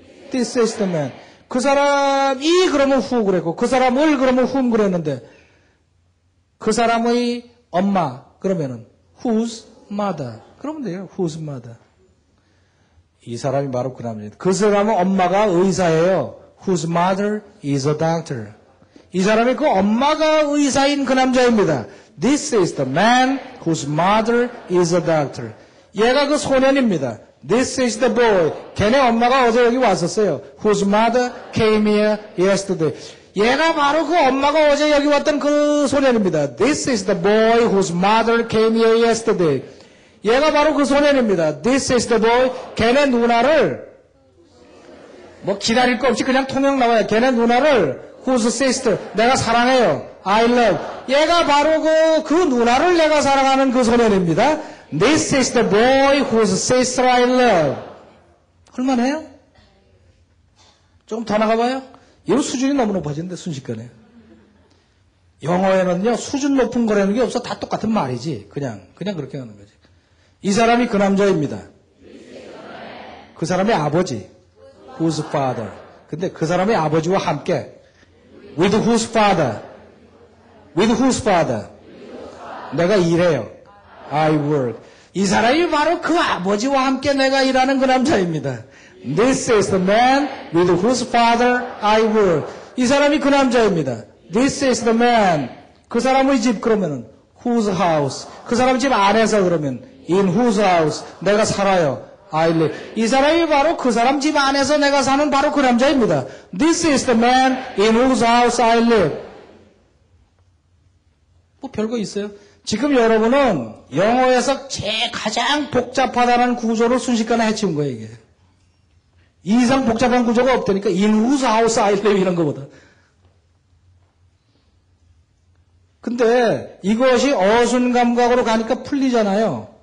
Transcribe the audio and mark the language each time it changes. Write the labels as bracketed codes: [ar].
[en] This is the man. [ko] 그 사람이 그러면 whom 그랬고 그 사람을 그러면 whom 그랬는데 그 사람의 엄마 그러면은 whose mother 그러면 돼요. whose mother. 이 사람이 바로 그 남자입니다. 그 사람은 엄마가 의사예요. [en] whose mother is a doctor. [ko] 이 사람이 그 엄마가 의사인 그 남자입니다. [en] This is the man whose mother is a doctor. [ko] 얘가 그 소년입니다. [en] This is the boy. [ko] 걔네 엄마가 어제 여기 왔었어요. [en] Whose mother came here yesterday. [ko] 얘가 바로 그 엄마가 어제 여기 왔던 그 소년입니다. [en] This is the boy whose mother came here yesterday. [ko] 얘가 바로 그 소년입니다. [en] This is the boy. [ko] 걔네 누나를 뭐 기다릴 거 없이 그냥 통역 나와요. 걔네 누나를 whose sister. 내가 사랑해요. [en] I love. [ko] 얘가 바로 그 누나를 내가 사랑하는 그 소년입니다. [en] This is the boy whose sister I love. [ko] 할만해요? 조금 더 나가봐요. 이거 수준이 너무 높아지는데 순식간에. 영어에는요 수준 높은 거라는 게 없어. 다 똑같은 말이지. 그냥 그렇게 하는 거지. 이 사람이 그 남자입니다. 그 사람의 아버지. Whose father. 근데 그 사람의 아버지와 함께 [en] With whose father. With whose father. [ko] 내가 일해요. [en] I work. [ko] 이 사람이 바로 그 아버지와 함께 내가 일하는 그 남자입니다. [en] This is the man with whose father I work. [ko] 이 사람이 그 남자입니다. [en] This is the man. [ko] 그 사람의 집 그러면은 [en] whose house. [ko] 그 사람 집 안에서 그러면 [en] in whose house [ko] 내가 살아요. [en] I live. [ko] 이 사람이 바로 그 사람 집 안에서 내가 사는 바로 그 남자입니다. [en] This is the man in whose house I live. [ko] 뭐 별거 있어요? 지금 여러분은 영어에서 가장 복잡하다는 구조를 순식간에 해치운 거예요, 이게. 이상 복잡한 구조가 없다니까, [en] in whose house I live [ko] 이런 것보다. 근데 이것이 어순감각으로 가니까 풀리잖아요.